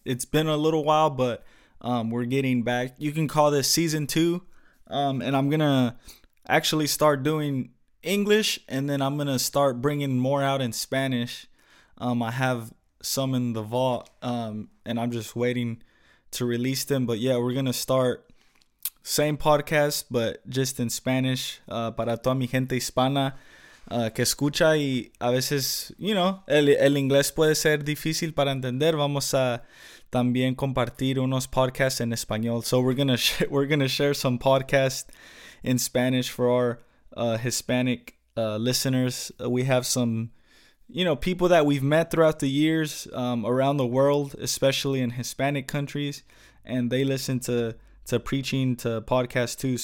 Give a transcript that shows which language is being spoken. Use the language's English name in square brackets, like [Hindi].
[English] It's been a little while, but we're getting back. You can call this season two, and I'm going to actually start doing English, and then I'm going to start bringing more out in Spanish. I have some in the vault, and I'm just waiting to release them. But yeah, we're going to start same podcast, but just in Spanish. [Spanish] Para toda mi gente hispana que escucha y a veces, you know, el inglés puede ser difícil para entender. Vamos a también compartir unos podcasts en español. [English] So we're gonna share some podcasts in Spanish for our Hispanic listeners. We have some, you know, people that we've met throughout the years around the world, especially in Hispanic countries, and they listen to preaching, to podcasts too.